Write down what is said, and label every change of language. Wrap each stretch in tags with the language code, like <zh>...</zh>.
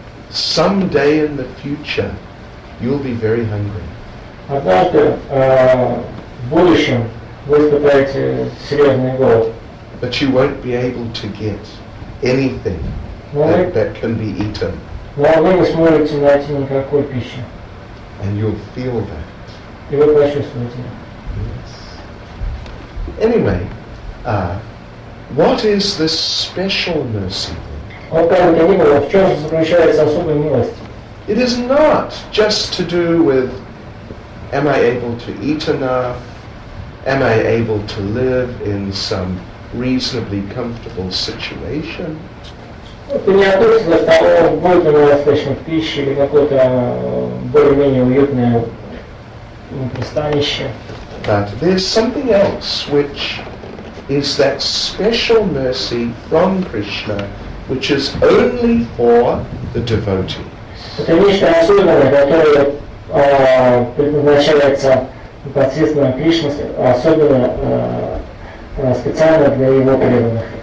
<en>Some day in the future, you'll be very hungry. But you won't be able to get anything that can be eaten.</en> <ru>Но вы не сможете найти никакой пищи.</ru> <en>And you'll feel that.</en> <ru>И вы почувствуете.</ru> <en>Yes. Anyway, what is this special mercy?</en> <ru>В чем заключается особая милость?</ru> <en>It is not just to do with, am I able to eat enough? Am I able to live in some reasonably comfortable situation?</en> <ru>Это не относится к тому, будет ли у вас достаточно пищи или какое-то более-менее уютное пристанище.</ru> <en>But there's something else, which is that special mercy from Krishna, which is only for the devotee.</en> <ru>Это нечто особенное, которое предназначается непосредственно Кришне, особенно специально для его преданных.</ru>